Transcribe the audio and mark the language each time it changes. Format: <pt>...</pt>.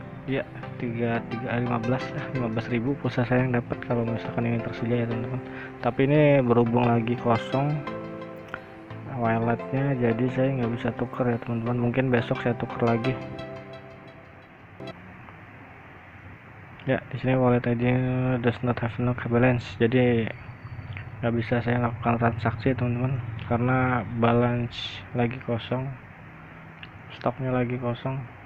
<id>Ya, 15 lah, 15.000 pulsa saya yang dapat kalau misalkan ini tersedia ya teman-teman. Tapi ini berhubung lagi kosong walletnya, jadi saya nggak bisa tuker ya teman-teman. Mungkin besok saya tuker lagi. Ya, di sini</id> <en>wallet ID does not have no balance.</en> <id>Jadi nggak bisa saya lakukan transaksi teman-teman karena balance lagi kosong, stoknya lagi kosong.</id>